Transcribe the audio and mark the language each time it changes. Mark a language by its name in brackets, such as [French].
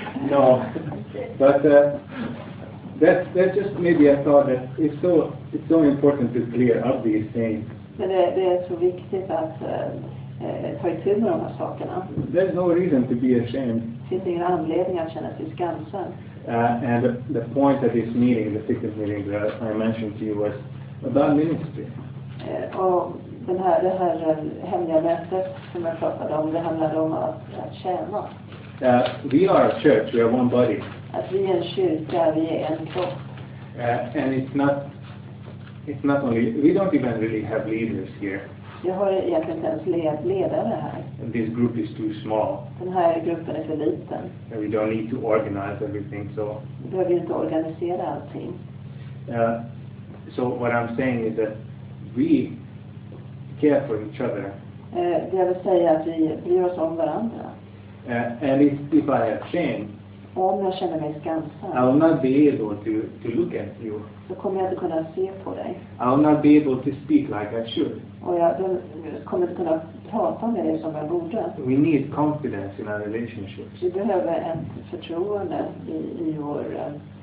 [English] No, but that just maybe I thought that it's so important to clear up these things. [Swedish] Men det är så viktigt att ta itu med de här sakerna. [English] There's no reason to be ashamed. [Swedish] Det finns ingen anledning att känna sig skamsen. [English] And the point of this meeting, the sixth meeting that I mentioned to you was about ministry. [Swedish] Och det här hemliga mötet som jag pratade om, det handlade om att tjäna. [English] We are a church, we are one body. [Swedish] Att vi är en kyrka, vi är en kropp. [English] And it's not only, we don't even really have leaders here. [Swedish] Jag har egentligen inte ens ledare här. [English] And this group is too small. [Swedish] Den här gruppen är för liten. [English] And we don't need to organize everything, so. [Swedish] Vi behöver inte organisera allting. [English] So what I'm saying is that we care for each other. [Swedish] Det jag vill säga är att vi bryr oss om varandra. [English] And if I have shame. [Swedish] Och om jag känner mig skamsen. [English] I will not be able to look at you. [Swedish] Så kommer jag inte kunna se på dig. [English] I will not be able to speak like I should. [Swedish] Och jag kommer inte kunna prata med dig som jag borde. [English] We need confidence in our relationships. [Swedish] Vi behöver en förtroende i vår relation.